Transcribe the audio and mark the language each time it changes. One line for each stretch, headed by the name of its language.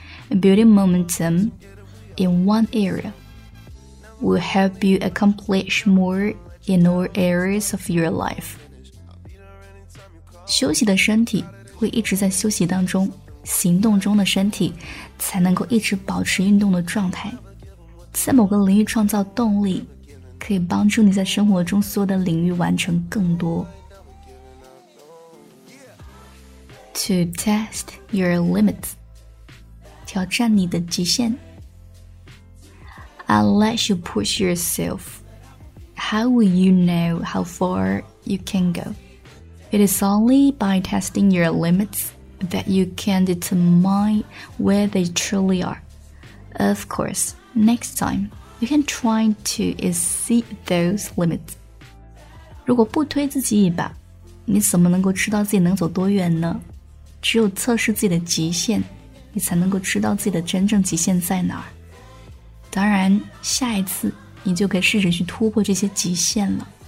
English: Building momentum in one area will help you accomplish more in all areas of your life。
Chinese: 休息的身体会一直在休息当中，行动中的身体才能够一直保持运动的状态。在某个领域创造动力，可以帮助你在生活中所有的领域完成更多。
English: To test your limits，
Chinese: 挑战你的极限。
English: I'll let you push yourself， How will you know how far you can go？ It is only by testing your limitsThat you can determine where they truly are. Of course, next time, you can try to exceed those limits.
Chinese: 如果不推自己一把，你怎么能够知道自己能走多远呢？只有测试自己的极限，你才能够知道自己的真正极限在哪儿。当然，下一次，你就可以试着去突破这些极限了。